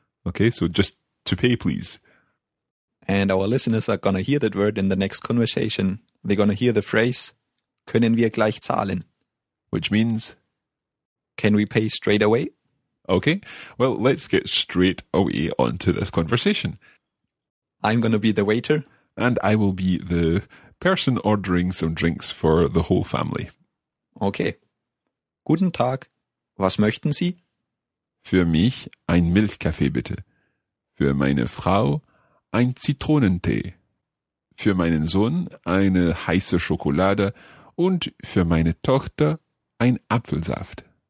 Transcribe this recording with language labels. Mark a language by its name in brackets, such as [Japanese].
[English] Okay, so just to pay, please. And our listeners are going to hear that word in the next conversation. They're going to hear the phrase, können wir gleich zahlen? Which means? Can we pay straight away? Okay, well, let's get straight away onto this conversation. I'm going to be the waiter. And I will be the person ordering some drinks for the whole family. [German] Okay. Guten Tag. Was möchten Sie? Für mich ein Milchkaffee, bitte. Für meine Frau ein Zitronentee. Für meinen Sohn eine heiße Schokolade. Und für meine Tochter ein Apfelsaft.